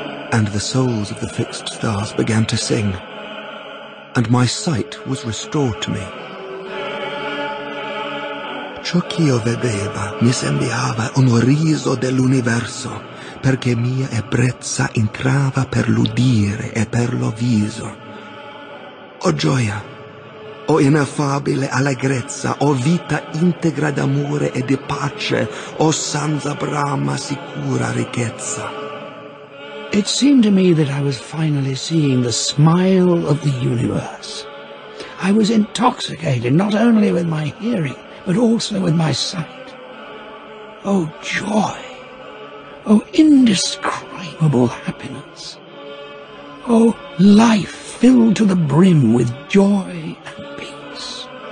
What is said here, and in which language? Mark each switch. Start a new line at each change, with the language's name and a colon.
English: And the souls of the fixed stars began to sing, and my sight was restored to me.
Italian: Ciò che io vedeva mi sembrava un riso dell'universo, perché mia ebbrezza entrava per l'udire e per lo viso. O gioia, o ineffabile allegrezza, o vita integra d'amore e di pace, o senza brama sicura ricchezza.
English: It seemed to me that I was finally seeing the smile of the universe. I was intoxicated not only with my hearing, but also with my sight. Oh, joy! Oh, indescribable happiness! Oh, life filled to the brim with joy and peace!